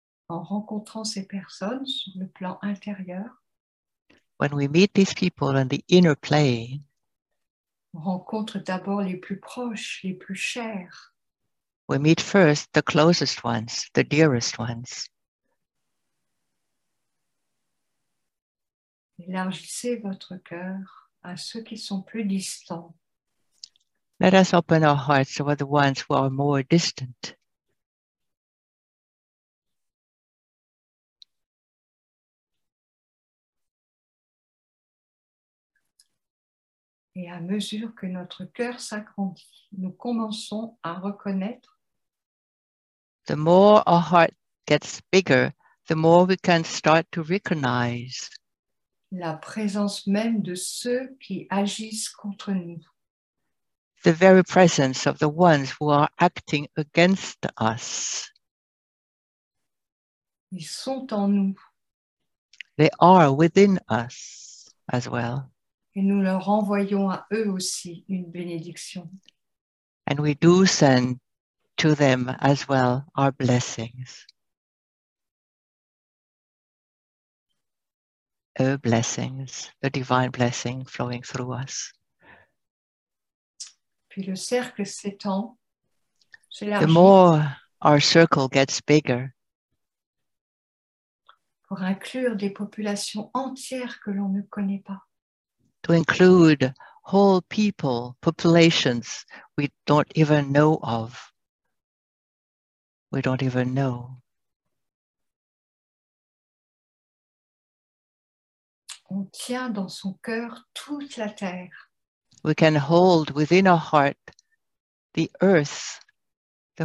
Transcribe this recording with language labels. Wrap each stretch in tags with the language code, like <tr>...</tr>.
<fr>En rencontrant ces personnes sur le plan intérieur,</fr> <en>when we meet these people on the inner plane,</en> <fr>on rencontre d'abord les plus proches, les plus chers.</fr> <en>We meet first the closest ones, the dearest ones.</en> <fr>Élargissez votre cœur à ceux qui sont plus distants.</fr> <en>Let us open our hearts to the ones who are more distant.</en> <fr>Et à mesure que notre cœur s'agrandit, nous commençons à reconnaître.</fr> <en>The more our heart gets bigger, the more we can start to recognize.</en> <fr>La présence même de ceux qui agissent contre nous.</fr> <en>The very presence of the ones who are acting against us.</en> <fr>Ils sont en nous.</fr> <en>They are within us as well.</en> <fr>Et nous leur envoyons à eux aussi une bénédiction.</fr> <en>And we do send to them as well our blessings. Our blessings, the divine blessing flowing through us.</en> <fr>Puis le cercle s'étend, s'élargit.</fr> <en>The more our circle gets bigger.</en> <fr>Pour inclure des populations entières que l'on ne connaît pas.</fr> <en>To include whole people, populations we don't even know of. We don't even know.</en> <fr>On tient dans son cœur toute la terre.</fr> <en>We can hold within our heart the earth, the</en>